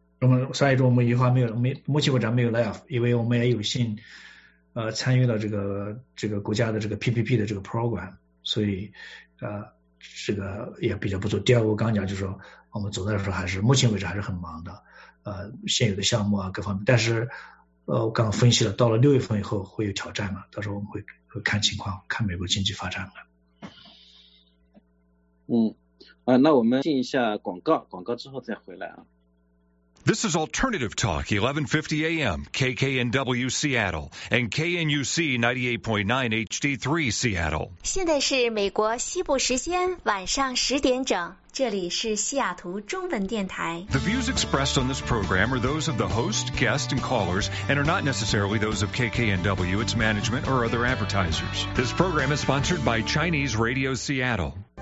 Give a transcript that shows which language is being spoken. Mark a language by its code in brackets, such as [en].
[zh] 我们三月中我们一话没有，目前为止没有 layoff， 因为我们也有幸参与了这个国家的这个 PPP 的这个 program， 所以这个也比较不错。第二个我刚讲就是说我们走的时候还是目前为止还是很忙的，现有的项目啊各方面，但是我刚分析了到了6月份以后会有挑战嘛，到时候我们会看情况，看美国经济发展的。那我们进一下广告之后再回来啊。 [en] This is Alternative Talk, 1150 AM, KKNW Seattle, and KNUC 98.9 HD3 Seattle. [zh] 现在是美国西部时间晚上10点整，这里是西雅图中文电台。 [en] The views expressed on this program are those of the host, guest, and callers, and are not necessarily those of KKNW, its management, or other advertisers. This program is sponsored by Chinese Radio Seattle.